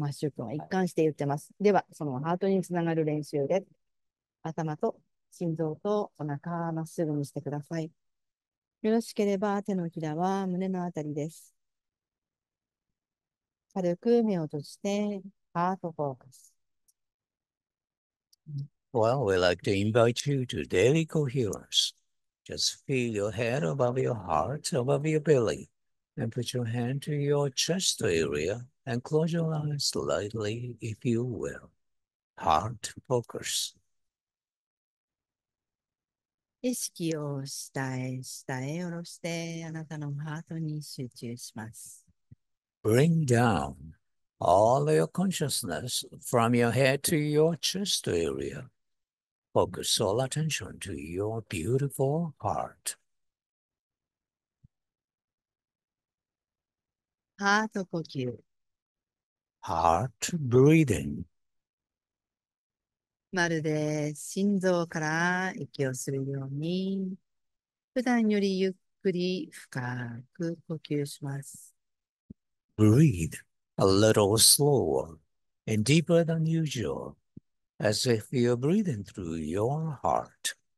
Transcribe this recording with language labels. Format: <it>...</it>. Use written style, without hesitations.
<ja>マッシュ君は一貫して言ってます。では、そのハートにつながる練習で、頭と心臓とお腹まっすぐにしてください。よろしければ手のひらは胸のあたりです。軽く目を閉じて、ハートフォーカス。</ja> <en>Well, we'd like to invite you to daily coherence. Just feel your head above your heart, above your belly, and put your hand to your chest area and close your eyes lightly if you will. Heart focus.</en> <ja>意識を下へ下へ下ろして、あなたのハートに集中します。</ja> <en>Bring down all your consciousness from your head to your chest area. Focus all attention to your beautiful heart.</en> <ja>ハート呼吸。</ja> <en>Heart breathing.</en> <ja>まるで心臓から息をするように、普段よりゆっくり深く呼吸します。</ja> <en>Breathe a little slower and deeper than usual, as if you're breathing through your heart.</en>